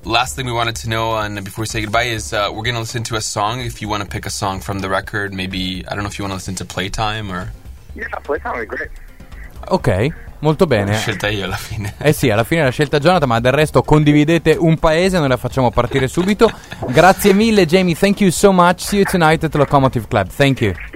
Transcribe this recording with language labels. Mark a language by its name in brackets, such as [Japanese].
[English] Last thing we wanted to know, and before we say goodbye, is we're going to listen to a song. If you want to pick a song from the record, maybe, I don't know if you want to listen to Playtime or... Yeah, Playtime would be great. [Italian] Ok, molto bene. L'ho scelta io alla fine. Eh sì, alla fine l'ha scelta Jonathan, ma del resto condividete un paese, noi la facciamo partire subito. Grazie mille, [English] Jamie, thank you so much. See you tonight at the Locomotive Club. Thank you.